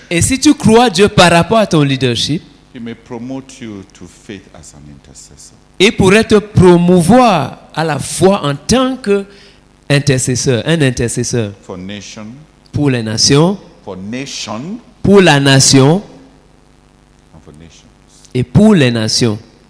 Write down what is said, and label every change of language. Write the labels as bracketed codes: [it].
[fr] et si tu crois Dieu par rapport à ton leadership, [en] He may promote you to faith as an intercessor. [fr] Il pourrait te promouvoir à la foi en tant que intercesseur, un intercesseur. [en] For nation, [fr] pour les nations. [en] For nation, [fr] pour la nation. [en] And for nations. [fr] Et pour les nations.